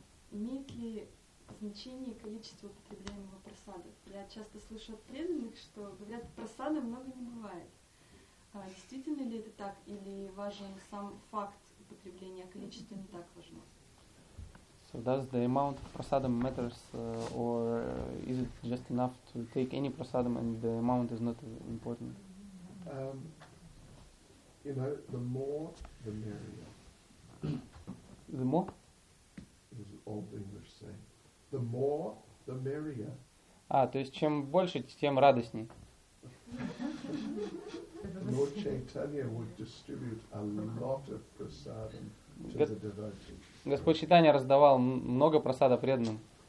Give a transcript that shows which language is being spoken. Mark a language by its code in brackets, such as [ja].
[ru] Имеет ли значение количество употребляемого просады? Я часто слышу от преданных, что говорят, просады много не бывает. А действительно ли это так? Или важен сам факт употребления, а количество не так важно? [en] So does the amount of prasadam matters, or is it just enough to take any prasadam and the amount is not important? You know, the more, the merrier. The more? This is an old English saying. The more, the merrier. [ru] А, то есть чем больше, тем радостней. [en] Lord Chaitanya would distribute a lot of prasadam to the devotees. [ru] Господь Чайтанья раздавал много просада преданным.